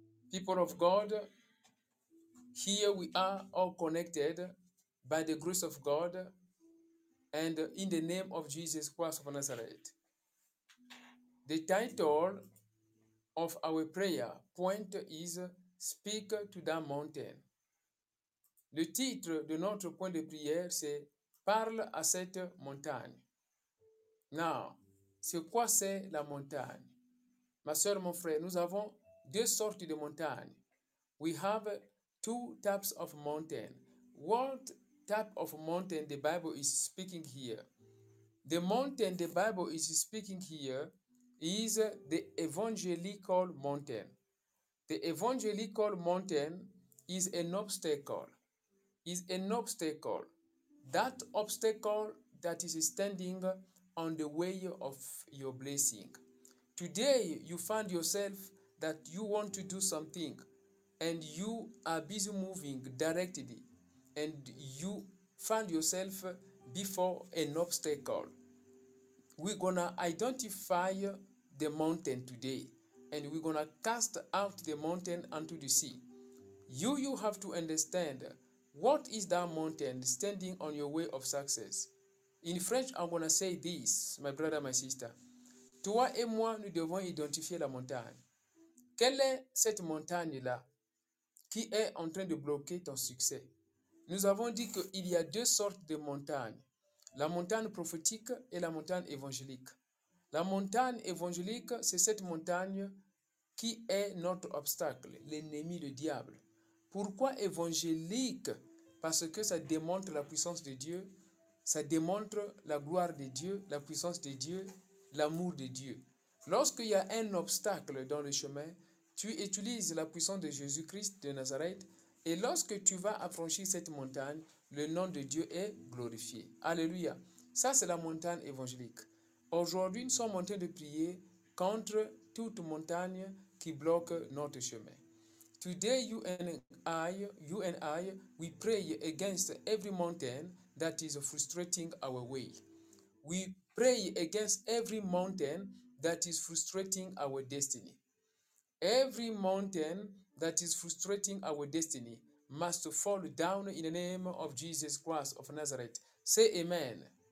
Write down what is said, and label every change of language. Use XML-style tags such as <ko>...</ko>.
<en>People of God, here we are all connected by the grace of God and in the name of Jesus Christ of Nazareth. The title of our prayer point is Speak to that mountain.</en> <fr>Le titre de notre point de prière, c'est Parle à cette montagne. Now, c'est quoi c'est la montagne? Ma soeur, mon frère, nous avons deux sortes de montagnes.</fr> <en>We have two types of mountain. What type of mountain the Bible is speaking here? The mountain the Bible is speaking here is the evangelical mountain. The evangelical mountain is an obstacle. Is an obstacle. That obstacle that is standing on the way of your blessing. Today, you find yourself that you want to do something and you are busy moving directly and you find yourself before an obstacle. We're gonna identify the mountain today and we're gonna cast out the mountain onto the sea. You have to understand what is that mountain standing on your way of success. In French, I'm gonna say this, my brother, my sister.</en> <fr>Toi et moi, nous devons identifier la montagne. Quelle est cette montagne-là qui est en train de bloquer ton succès? Nous avons dit qu'il y a deux sortes de montagnes, la montagne prophétique et la montagne évangélique. La montagne évangélique, c'est cette montagne qui est notre obstacle, l'ennemi, le diable. Pourquoi évangélique? Parce que ça démontre la puissance de Dieu, ça démontre la gloire de Dieu, la puissance de Dieu, l'amour de Dieu. Lorsqu'il y a un obstacle dans le chemin, tu utilises la puissance de Jésus-Christ de Nazareth et lorsque tu vas affranchir cette montagne, le nom de Dieu est glorifié. Alléluia. Ça, c'est la montagne évangélique. Aujourd'hui, nous sommes en train de prier contre toute montagne qui bloque notre chemin.</fr> <en>Today, you and I, we pray against every mountain that is frustrating our way. We pray against every mountain that is frustrating our destiny. Every mountain that is frustrating our destiny must fall down in the name of Jesus Christ of Nazareth. Say amen.</en>